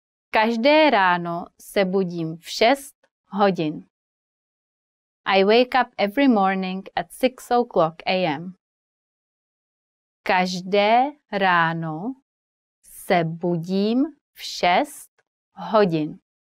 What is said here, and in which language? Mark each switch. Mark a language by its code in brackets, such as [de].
[cs] Každé ráno se budím v 6 hodin. [en] I wake up every morning at 6 o'clock a.m. [cs] Každé ráno se budím v 6 hodin.